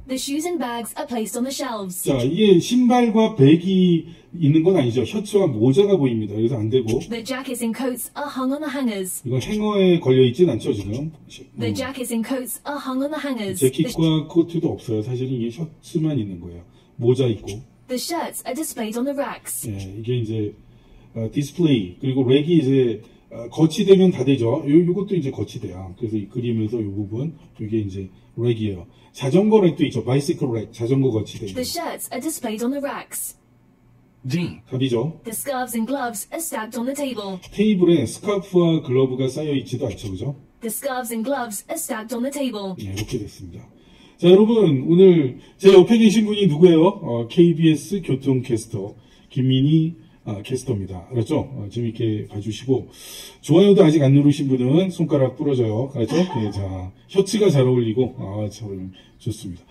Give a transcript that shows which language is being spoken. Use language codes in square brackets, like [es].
[en] The shoes and bags are placed on the shelves. [ko] 자, 이게 신발과 백이 있는 건 아니죠. 셔츠와 모자가 보입니다. 그래서 안 되고. [en] The jackets and coats are hung on the hangers. [ko] 이건 행어에 걸려 있진 않죠, 지금. [en] The jackets and coats are hung on the hangers. [ko] 재킷과 코트도 없어요. 사실은 이게 셔츠만 있는 거예요. 모자 있고. [en] The shirts are displayed on the racks. [ko] 예, 이게 이제 display 그리고 rack이 이제 거치대면 다 되죠. 이것도 이제 거치대야. 그래서 이 그림에서 이 부분 이게 이제 rack이에요. 자전거 rack도 있죠. Bicycle rack, 자전거 거치대. [en] The shirts are displayed on the racks. D. [ko] 답이죠. [en] The scarves and gloves are stacked on the table. [ko] 테이블에 스카프와 글러브가 쌓여 있지도 않죠, 그죠? [en] The scarves and gloves are stacked on the table. [ko] 예, 이렇게 됐습니다. 자, 여러분, 오늘 제 옆에 계신 분이 누구예요? KBS 교통 캐스터 김민희 캐스터입니다. 알았죠? 재밌게 봐주시고 좋아요도 아직 안 누르신 분은 손가락 부러져요. 알았죠? 네, 자, 셔츠가 잘 어울리고 참 좋습니다.